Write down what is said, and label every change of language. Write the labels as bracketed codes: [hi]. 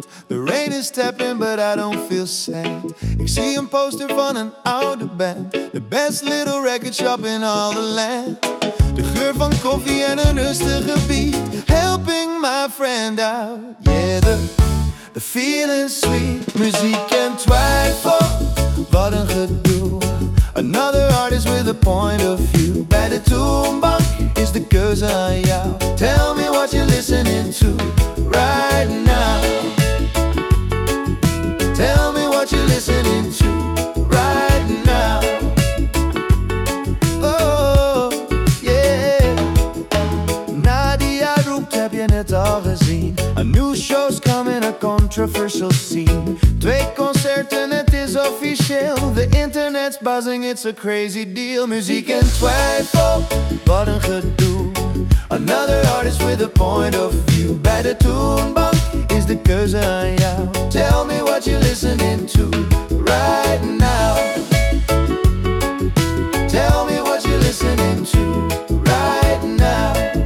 [en] The rain is tapping, but I don't feel sad. [nl] Ik zie een poster van een oude band. [en] The best little record shop in all the land. [nl] De geur van koffie en een rustige beat. [en] Helping my friend out. Yeah, the feeling sweet. [nl] Muziek en twijfel, wat een gedoe. [en] Another artist with a point of view. [nl] Bij de toonbank is de keuze aan jou. [en] Tell me what you're listening to right now. Tell me what you're listening to right now. Oh, yeah. [nl] Nadia roept, heb je net al gezien? [en] A new show's coming, a controversial scene. [nl] Twee concerten, het is officieel. [en] The internet's buzzing, it's a crazy deal. [nl] Muziek en twijfel, wat een gedoe. [en] Another artist with a point of view. [nl] Bij de toonbank is de keuze aan jou. [en] Tell me what you're listening to right now. Tell me what you're listening to right now.